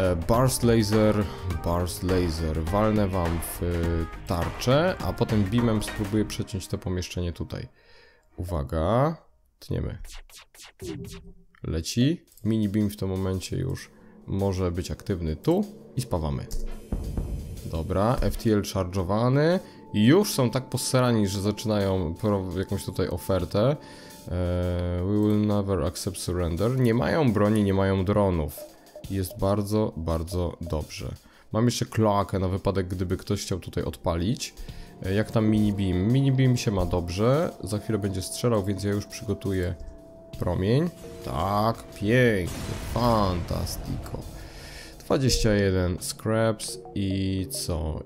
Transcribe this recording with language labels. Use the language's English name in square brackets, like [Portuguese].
[Polish] Burst laser. Walnę wam w tarczę, a potem beamem spróbuję przeciąć to pomieszczenie tutaj. Uwaga. Tniemy. Leci. Mini beam w tym momencie już może być aktywny tu i spawamy. Dobra, FTL charge'owany. Już są tak posrani, że zaczynają jakąś tutaj ofertę. [English] We will never accept surrender. [Polish] Nie mają broni, nie mają dronów. Jest bardzo, bardzo dobrze. Mam jeszcze kloakę na wypadek, gdyby ktoś chciał tutaj odpalić. Jak tam mini beam? Mini beam się ma dobrze. Za chwilę będzie strzelał, więc ja już przygotuję promień. Tak, pięknie, fantastico. 21 scraps i co?